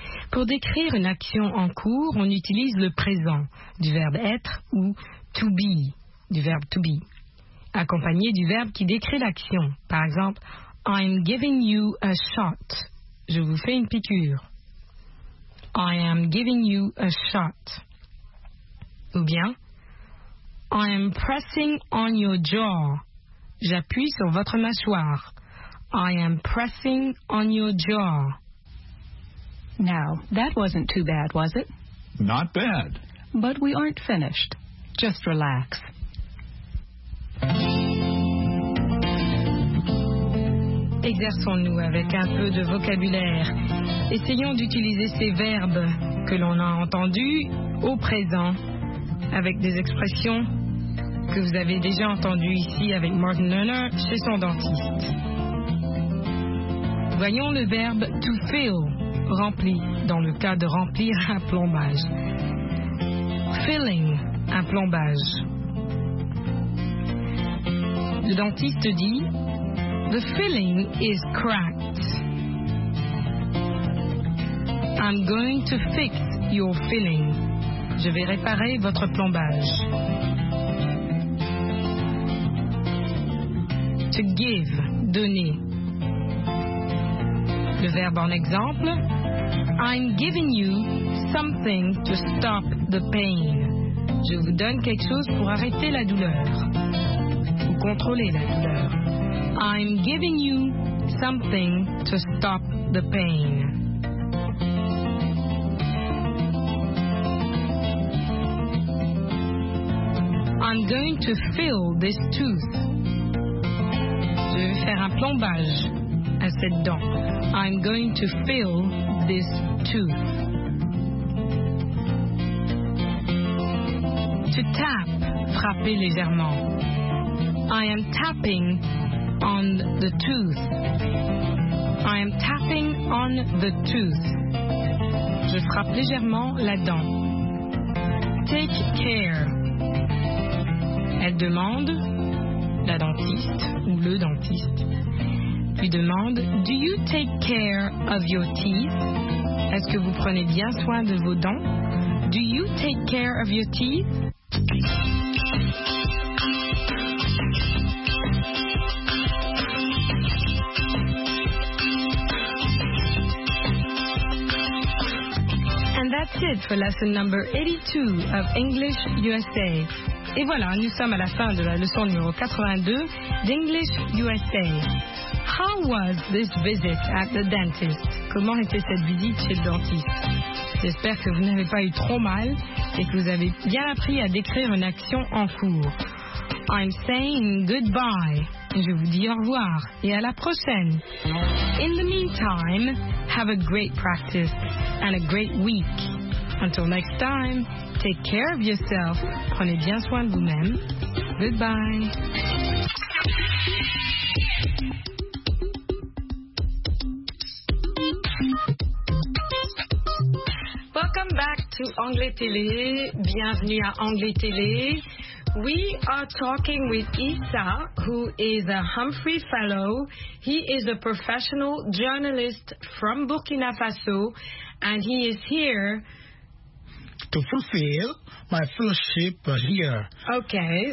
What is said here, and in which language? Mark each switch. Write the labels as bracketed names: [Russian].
[French] Pour décrire une action en cours, on utilise le présent du verbe être ou to be, du verbe to be, accompagné du verbe qui décrit l'action. [English] Par exemple, I'm giving you a shot. [French] Je vous fais une piqûre. [English] I am giving you a shot. Ou bien, I am pressing on your jaw. [French] J'appuie sur votre mâchoire. [English] I am pressing on your jaw. Now, that wasn't too bad, was it? Not bad. But we aren't finished. Just relax. [French] Exerçons-nous avec un peu de vocabulaire. Essayons d'utiliser ces verbes que l'on a entendus au présent avec des expressions que vous avez déjà entendues ici avec Martin Lerner chez son dentiste. Voyons le verbe to fill, rempli, dans le cas de remplir un plombage. Filling, un plombage. Le dentiste dit, [English] the filling is cracked. I'm going to fix your filling. [French] Je vais réparer votre plombage. To give, donner. Le verbe en exemple, [English] I'm giving you something to stop the pain. [French] Je vous donne quelque chose pour arrêter la douleur. Ou contrôler la douleur. [English] I'm giving you something to stop the pain. I'm going to fill this tooth. [French] Je vais faire un plombage à cette dent. [English] I'm going to fill this tooth. [French] To tap, frapper légèrement. [English] I am tapping on the tooth. I am tapping on the tooth. [French] Je frappe légèrement la dent. [English] Take care. [French] Elle demande, la dentiste ou le dentiste, lui demande, [English] do you take care of your teeth? [French] Est-ce que vous prenez bien soin de vos dents? [English] Do you take care of your teeth? And that's it for lesson number 82 of English USA. [French] Et voilà, nous sommes à la fin de la leçon numéro 82 d'English USA. [English] How was this visit at the dentist? [French] Comment était cette visite chez le dentiste? J'espère que vous n'avez pas eu trop mal et que vous avez bien appris à décrire une action en cours. [English] I'm saying goodbye. [French] Je vous dis au revoir et à la prochaine. [English] In the meantime, have a great practice and a great week. Until next time, take care of yourself. [French] Prenez bien soin de vous-même. Goodbye. [English] Welcome back to Anglais Télé. [French] Bienvenue à Anglais Télé. [English] We are talking with Issa, who is a Humphrey Fellow. He is a professional journalist from Burkina Faso, and he is here to fulfill my fellowship here. Okay.